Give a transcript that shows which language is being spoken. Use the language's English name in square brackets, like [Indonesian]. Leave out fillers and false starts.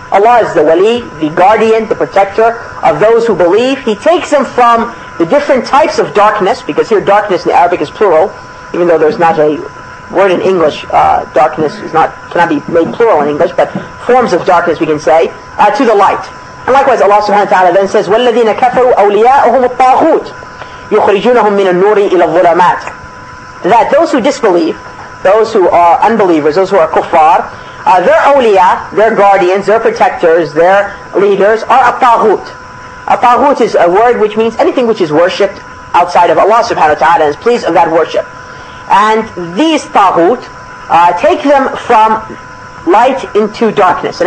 [English] Allah is the wali, the guardian, the protector of those who believe. He takes them from the different types of darkness, because here darkness in the Arabic is plural, even though there's not a word in English, darkness is not cannot be made plural in English, but forms of darkness we can say, to the light. And likewise Allah subhanahu wa ta'ala then says, [Arabic] وَالَّذِينَ كَفَرُوا أَوْلِيَاؤُهُمُ الطَّاغُوتُ يُخْرِجُونَهُم مِّنَ النُّورِ إِلَى الظُّلَمَاتِ. [English] That those who disbelieve, those who are unbelievers, those who are kuffar, their awliya, their guardians, their protectors, their leaders are at-taghut. At-taghut is a word which means anything which is worshipped outside of Allah subhanahu wa ta'ala and is pleased of that worship. And these taghut take them from light into darkness.